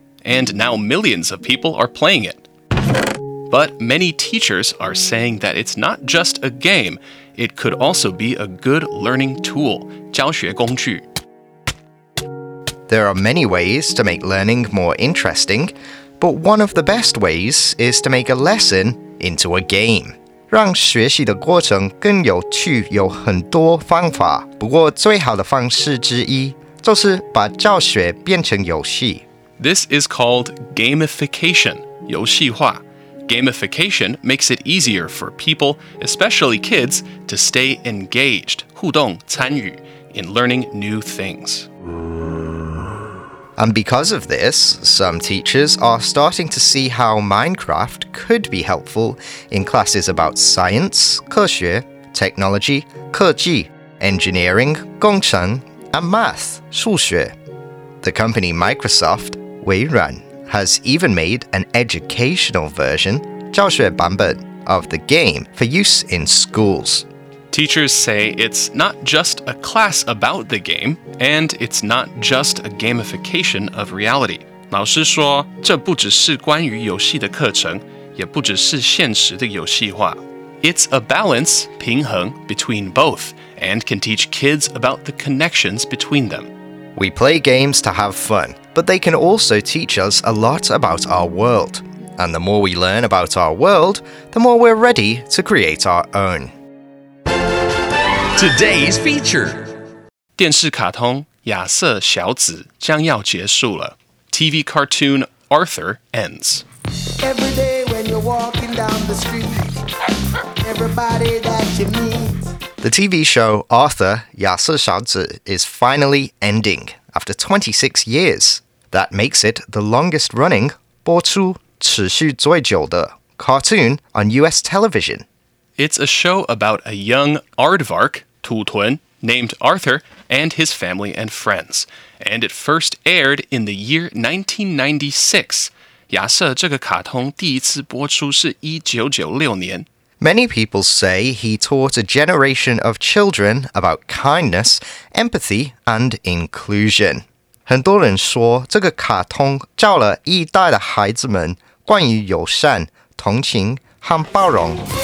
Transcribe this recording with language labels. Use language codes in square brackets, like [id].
[en] And now millions of people are playing it. But many teachers are saying that it's not just a game, it could also be a good learning tool, 教学工具。 There are many ways to make learning more interesting, but one of the best ways is to make a lesson into a game. [zh] 让学习的过程更有趣有很多方法。不过最好的方式之一就是把教学变成游戏。 [en] This is called gamification, 游戏化。 Gamification makes it easier for people, especially kids, to stay engaged, 互动参与, in learning new things. And because of this, some teachers are starting to see how Minecraft could be helpful in classes about science, 科学, technology, 科技, engineering, 工程, and math, 数学. The company Microsoft, 微软, has even made an educational version, 教学版本, of the game for use in schools. Teachers say it's not just a class about the game, and it's not just a gamification of reality. [zh] 老师说，这不只是关于游戏的课程，也不只是现实的游戏化。 [en] It's a balance, 平衡, between both, and can teach kids about the connections between them. We play games to have fun, but they can also teach us a lot about our world. And the more we learn about our world, the more we're ready to create our own. Today's feature. [zh] 电视卡通《亚瑟小子》将要结束了。 [en] TV cartoon Arthur ends. Every day when you're walking down the street, everybody that you meet. The TV show Arthur, 亚瑟小子, is finally ending after 26 years. That makes it the longest running, 播出持续最久的 cartoon on US television. It's a show about a young aardvark, 土豚, named Arthur and his family and friends. And it first aired in the year 1996. [zh] 亚瑟这个卡通第一次播出是1996年。 [en] Many people say he taught a generation of children about kindness, empathy, and inclusion. [zh] 很多人说这个卡通教了一代的孩子们关于友善、同情和包容。